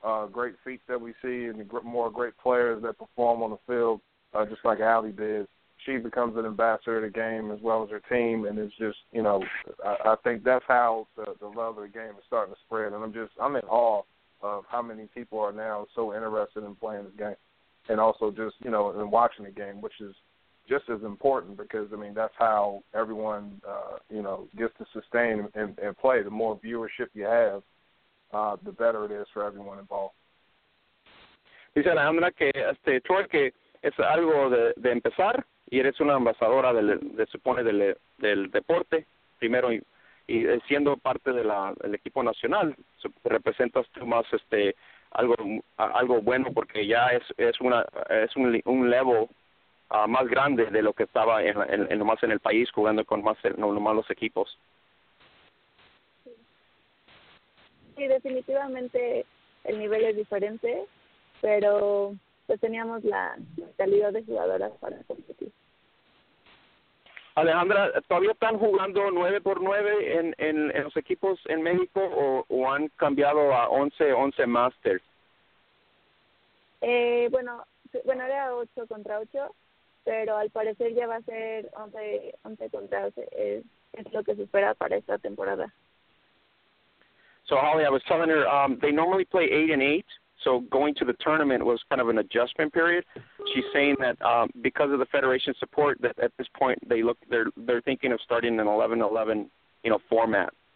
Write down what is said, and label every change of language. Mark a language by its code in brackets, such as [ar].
[en] great feats that we see and the more great players that perform on the field, just like Allie did, she becomes an ambassador of the game as well as her team, and it's just, you know, I think that's how the love of the game is starting to spread, and I'm in awe of how many people are now so interested in playing this game, and also just, you know, in watching the game, which is just as important, because, I mean, that's how everyone, you know, gets to sustain and play. The more viewership you have, the better it is for everyone involved. [es] Dice la Alejandra que este Troy que es algo de empezar, y eres una ambasadora del deporte primero. Y siendo parte de el equipo nacional, representas tú más algo bueno, porque ya es un level más grande de lo que estaba en nomás en el país jugando con nomás los equipos. Sí, definitivamente el nivel es diferente, pero pues teníamos la calidad de jugadoras para competir. Alejandra, ¿todavía están jugando 9x9 en los equipos en México o han cambiado a 11x11 Masters? Bueno, era 8 contra 8, pero al parecer ya va a ser 11 contra 11, es lo que se espera para esta temporada. [en] So, Holly, I was telling her, they normally play 8x8. So going to the tournament was kind of an adjustment period. She's saying that because of the federation support, that at this point they're thinking of starting an 11-11, you know, format.